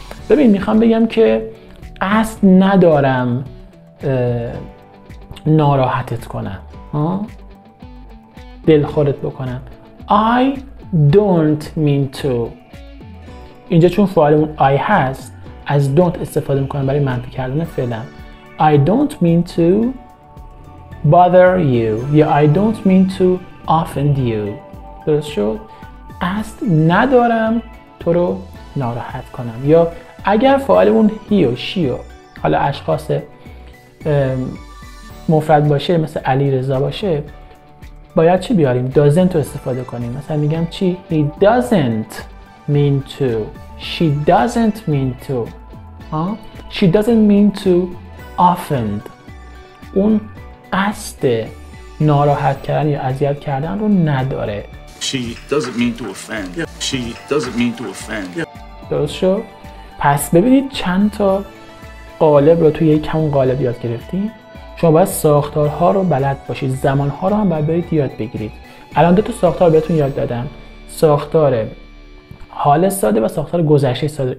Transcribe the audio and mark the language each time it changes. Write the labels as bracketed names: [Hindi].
[Persian] ببین میخوام بگم که قصد ندارم ناراحتت کنم، دلخورت بکنم. [English] I don't mean to. [Persian] اینجا چون فعالمون I هست، از don't استفاده میکنم برای منفی کردن فعلم. [English] I don't mean to bother you [Persian] یا [English] I don't mean to offend you. [Persian] درست شد؟ قصد ندارم تو رو ناراحت کنم. یا اگر فعالمون هی و شی و حالا اشخاص مفرد باشه، مثل علی رضا باشه، باید چی بیاریم؟ doesn't رو استفاده کنیم. مثلا میگم چی؟ [English] He doesn't mean to. She doesn't mean to. She doesn't mean to offend. [Persian] اون قصد ناراحت کردن یا اذیت کردن رو نداره. [English] She doesn't mean to offend. [Persian] درست شد؟ پس ببینید چند تا قالب رو توی یک همون قالب یاد گرفتیم. شما باید ساختارها رو بلد باشید، زمانها رو هم باید برید یاد بگیرید. الان دو تا ساختار رو بهتون یاد دادم، ساختار حال ساده و ساختار گذشته ساده.